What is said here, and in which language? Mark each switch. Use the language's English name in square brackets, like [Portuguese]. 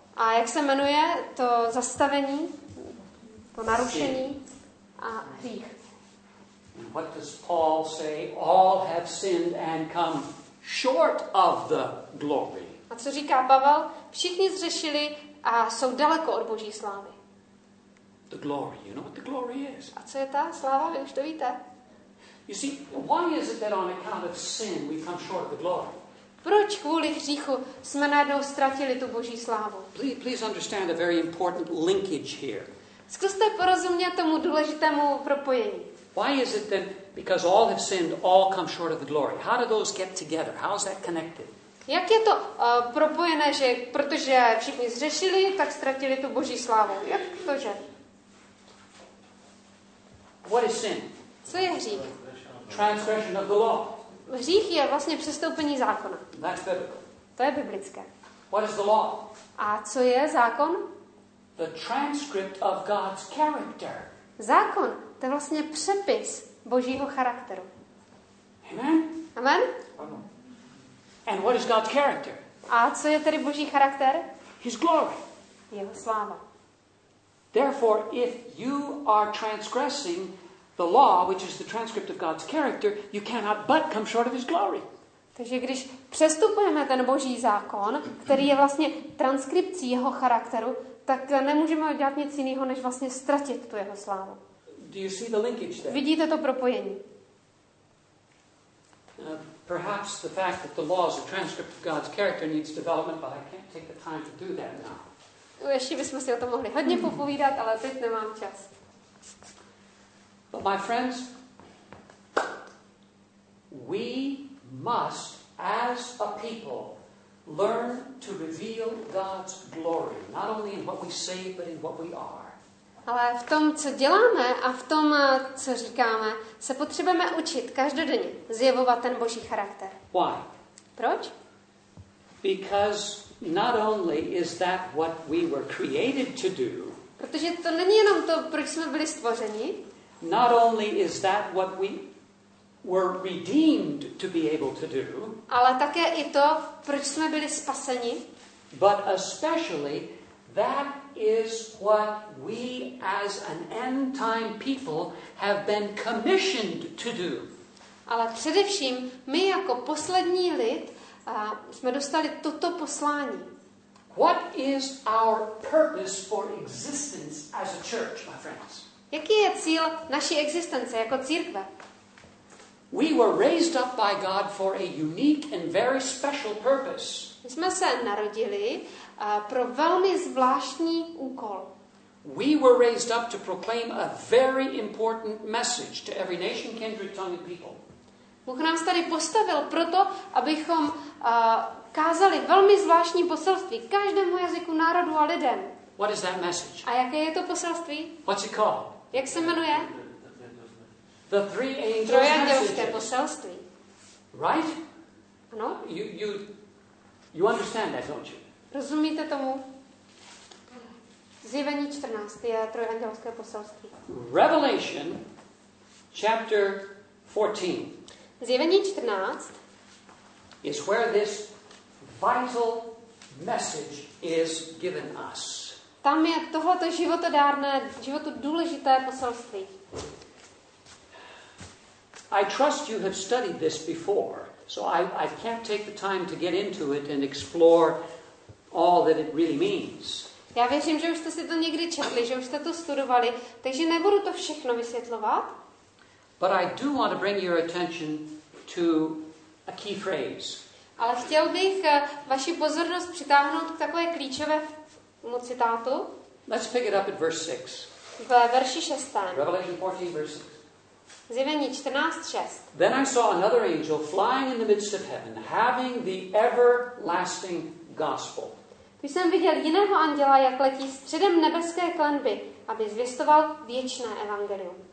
[Czech] A jak se jmenuje to zastavení, to narušení a hřích? [English] What does Paul say? All have sinned and come short of the glory. [Czech] A co říká Pavel? Všichni zřešili a jsou daleko od Boží slávy. [English] The glory. You know what the glory is? [Czech] A co je ta sláva? Vy už to víte. [English] You see, why is it that on account of sin we come short of the glory? [Czech] Proč kvůli hříchu jsme najednou ztratili tu Boží slávu? [English] Please understand a very important linkage here. [Czech] Zkuste porozumět tomu důležitému propojení. [English] Why is it that because all have sinned, all come short of the glory? How do those get together? How is that connected? [Czech] Jak je to propojené, že protože všichni zřešili, tak ztratili tu Boží slávu? Jak to že? [English] What is sin? [Czech] Co je hřích? [English] Transgression of the law. [Czech] Hřích je vlastně přestoupení zákona. [English] That's biblical. [Czech] To je biblické. [English] What is the law? [Czech] A co je zákon? [English] The transcript of God's character. [Czech] Zákon. To je vlastně přepis Božího charakteru. [English] Amen? [Czech] Amen? [English] And what is God's character? [Czech] A co je tedy Boží charakter? [English] His glory. [Czech] Jeho sláva. [English] Therefore, if you are transgressing the law, which is the transcript of God's character, you cannot but come short of his glory. [Czech] Takže když přestupujeme ten Boží zákon, který je vlastně transkripcí jeho charakteru, tak nemůžeme dělat nic jiného, než vlastně ztratit tu jeho slávu. [English] Do you see the linkage there? [Czech] Vidíte to propojení? [English] Perhaps the fact that the law is a transcript of God's character needs development, but I can't take the time to do that now. [Czech] Ještě bychom si o tom mohli hodně popovídat, ale teď nemám čas. [English] But my friends, we must, as a people, learn to reveal God's glory, not only in what we say, but in what we are. [Czech] Ale v tom, co děláme a v tom, co říkáme, se potřebujeme učit každodenně zjevovat ten Boží charakter. [English] Why? [Czech] Proč? [English] Because not only is that what we were created to do. [Czech] Protože to není jenom to, proč jsme byli stvořeni. [English] Not only is that what we were redeemed to be able to do. [Czech] Ale také i to, proč jsme byli spaseni. [English] But especially that is what we as an end time people have been commissioned to do. [Czech] Ale především my jako poslední lid jsme dostali toto poslání. [English] What is our purpose for existence as a church, my friends? [Czech] Jaký je cíl naší existence jako církve? [English] We were raised up by God for a unique and very special purpose. [Czech] My jsme se narodili pro velmi zvláštní úkol. [English] We were raised up to proclaim a very important message to every nation, kindred, tongue and people. [Czech] Bůh nás tady postavil proto, abychom kázali velmi zvláštní poselství každému jazyku, národu a lidem. [English] What is that message? [Czech] A jaké je to poselství? [English] What's it called? [Czech] Jak se jmenuje? [English] The three angels' [Czech] poselství. [English] Right? [Czech] Ano? [English] You understand that, don't you? [Czech] Rozumíte tomu? Zjevení 14 je trojandělské poselství. [English] Revelation chapter 14. [Czech] Zjevení 14 [English] is where this vital message is given us. [Czech] Tam je tohleto životodárné, životu důležité poselství. [English] I trust you have studied this before, so I can't take the time to get into it and explore all that it really means. [Czech] Já věřím, že už jste si to někdy četli, že už jste to studovali, takže nebudu to všechno vysvětlovat. [English] But I do want to bring your attention to a key phrase. [Czech] Ale chtěl bych vaši pozornost přitáhnout k takové klíčové citátu. [English] Let's pick it up at verse 6. [Czech] V verši 6. [English] Revelation 14, verse 6. [Czech] Zjevení 14:6. [English] Then I saw another angel flying in the midst of heaven, having the everlasting gospel. [Czech] Když jsem viděl jiného anděla, jak letí středem nebeské klenby, aby zvěstoval věčné evangelium.